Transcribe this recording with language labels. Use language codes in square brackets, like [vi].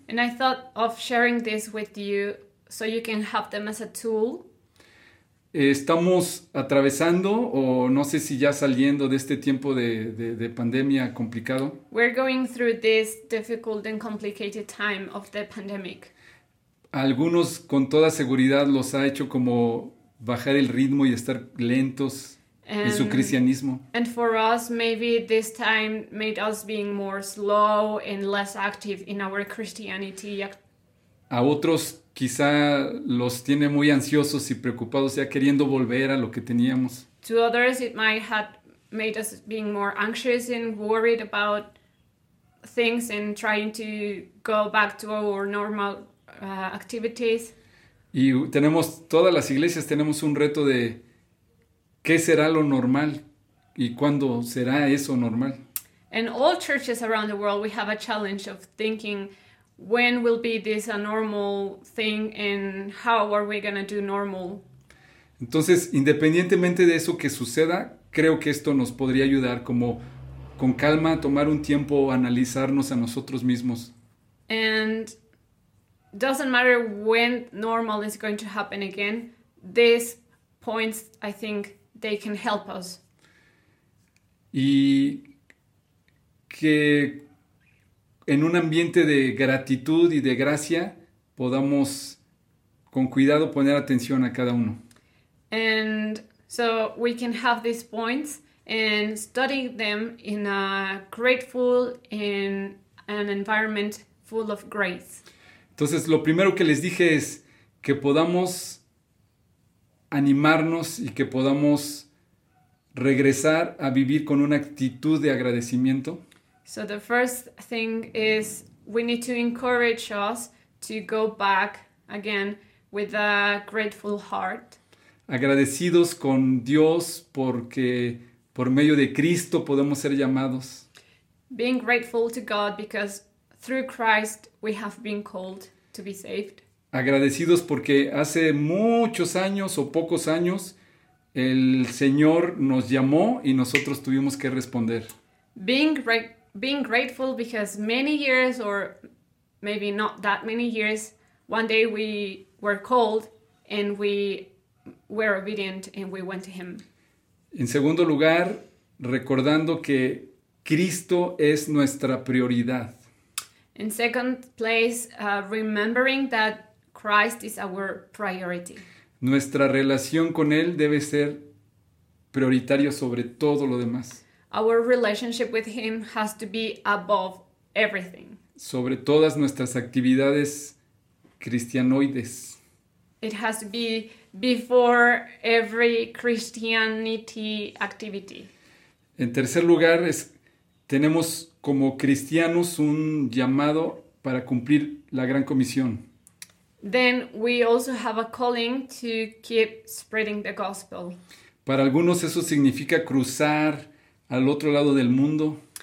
[en] And I thought of sharing this with you so you can have them as a tool. [es] Estamos atravesando, o no sé si ya saliendo de este tiempo de pandemia complicado. [en] We're going through this difficult and complicated time of the pandemic. [es] Algunos con toda seguridad los ha hecho como bajar el ritmo y estar lentos en su cristianismo. [en] And for us, maybe this time made us being more slow and less active in our Christianity. [es] A otros quizá los tiene muy ansiosos y preocupados, ya queriendo volver a lo que teníamos. [en] To others, it might have made us being more anxious and worried about things and trying to go back to our normal activities. [es] Y tenemos, todas las iglesias tenemos un reto de qué será lo normal y cuándo será eso normal. [en] And all churches around the world, we have a challenge of thinking, when will be this a normal thing and how are we going to do normal? [es] Entonces, independientemente de eso que suceda, creo que esto nos podría ayudar como con calma, tomar un tiempo, analizarnos a nosotros mismos. [en] And doesn't matter when normal is going to happen again, these points, I think, they can help us. [es] Y que en un ambiente de gratitud y de gracia podamos con cuidado poner atención a cada uno. [en] And so we can have these points and study them in a grateful, in an environment full of grace. [es] Entonces, lo primero que les dije es que podamos animarnos y que podamos regresar a vivir con una actitud de agradecimiento. [en] So the first thing is we need to encourage us to go back again with a grateful heart. [es] Agradecidos con Dios porque por medio de Cristo podemos ser llamados. [en] Being grateful to God because through Christ we have been called to be saved. [es] Agradecidos porque hace muchos años o pocos años el Señor nos llamó y nosotros tuvimos que responder. [en] Being grateful because many years or maybe not that many years, one day we were called and we were obedient and we went to Him. [es] En segundo lugar, recordando que Cristo es nuestra prioridad. [en] In second place, remembering that Christ is our priority. [es] Nuestra relación con Él debe ser prioritaria sobre todo lo demás. [en] Our relationship with Him has to be above everything. [es] Sobre todas nuestras actividades cristianoides. [en] It has to be before every Christianity activity. [es] En tercer lugar, tenemos como cristianos un llamado para cumplir la gran comisión. [en] Then we also have a calling to keep spreading the gospel. [es] Para algunos eso significa cruzar al otro lado del mundo.